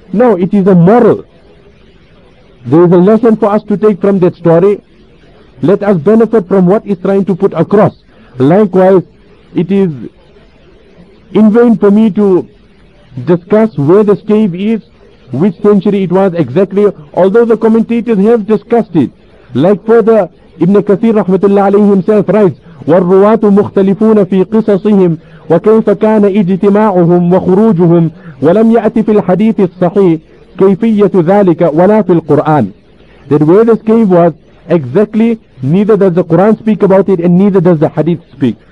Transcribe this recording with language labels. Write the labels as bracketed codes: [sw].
[en] No, it is a moral. There is a lesson for us to take from that story. Let us benefit from what is trying to put across. Likewise, it is in vain for me to discuss where the cave is, which century it was exactly, although the commentators have discussed it. Like further, Ibn Kathir rahmatullah alayhi himself writes, [ar] وَالرُّوَاتُ مُخْتَلِفُونَ فِي قِصَصِهِمْ وَكَيْفَ كَانَ اِجْتِمَاعُهُمْ وَخُرُوجُهُمْ وَلَمْ يَأْتِ فِي الْحَدِيثِ الصَّحِيحِ كَيْفِيَّةُ ذَلِكَ وَلَا فِي الْقُرْآنِ. [en] That where this cave was exactly, neither does the Quran speak about it and neither does the Hadith speak.